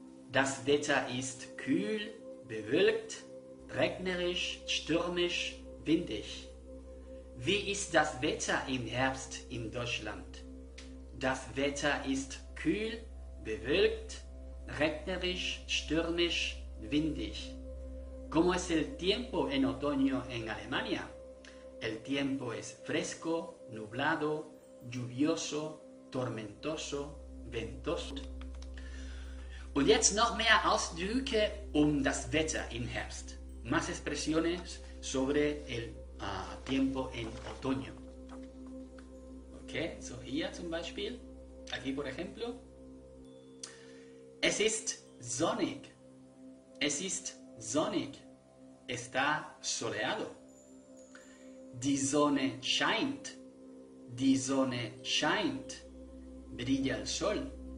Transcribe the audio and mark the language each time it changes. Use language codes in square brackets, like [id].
[de] Das Wetter ist kühl, bewölkt, regnerisch, stürmisch, windig. Wie ist das Wetter im Herbst in Deutschland? Das Wetter ist kühl, bewölkt, regnerisch, stürmisch, windig. [es] ¿Cómo es el tiempo en otoño en Alemania? El tiempo es fresco, nublado, lluvioso, tormentoso, ventoso. [de] Und jetzt noch mehr Ausdrücke um das Wetter im Herbst. [es] Más expresiones sobre el tiempo en otoño. [de] Okay, so hier zum Beispiel. [es] Aquí, por ejemplo. [de] Es ist sonnig. Es ist sonnig. [es] Está soleado. [de] Die Sonne scheint. Die Sonne scheint. [es] Brilla el sol.